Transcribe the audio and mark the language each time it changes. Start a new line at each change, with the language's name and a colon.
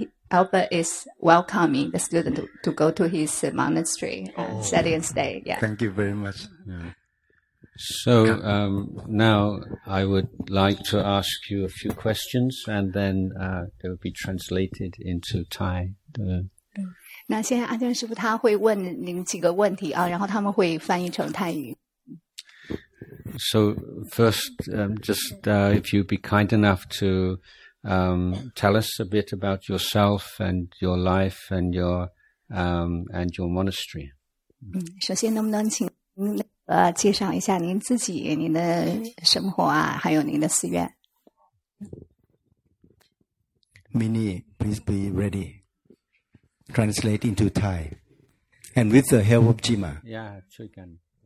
English: Albert is welcoming the student to go to his monastery study and stay. Yeah. Thank you very much. So now I would like to ask you a few questions, and then they will be translated into Thai.
Chinese: 那现在阿江师傅他会问您几个问题啊，然后他们会翻译成泰语。
English: So first, if you'd be kind enough to tell us a bit about yourself and your life and your monastery.
Chinese: 首先能不能请您？介绍一下您自己您的生活啊还有您的寺院。
English: Mini, please be ready. Translate into Thai. And with the help of Jima. Yeah, sure can.